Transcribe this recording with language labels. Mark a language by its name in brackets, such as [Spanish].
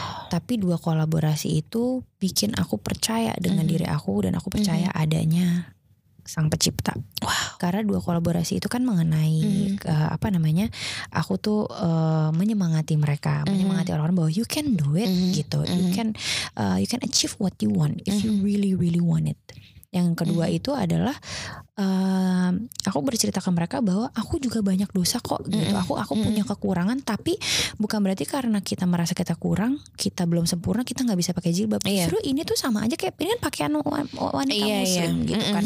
[Indonesian] Tapi dua kolaborasi itu bikin aku percaya dengan diri aku dan aku percaya adanya Sang Pencipta. Karena dua kolaborasi itu kan mengenai aku tuh menyemangati mereka, menyemangati orang-orang bahwa [English] you can do it [Indonesian] gitu. [English] You can achieve what you want if you really really want it. [Indonesian] Yang kedua itu adalah aku bercerita ke mereka bahwa aku juga banyak dosa kok gitu. Aku punya kekurangan, tapi bukan berarti karena kita merasa kita kurang, kita belum sempurna, kita gak bisa pakai jilbab. Justru ini tuh sama aja kayak ini kan pakaian wanita muslim gitu kan.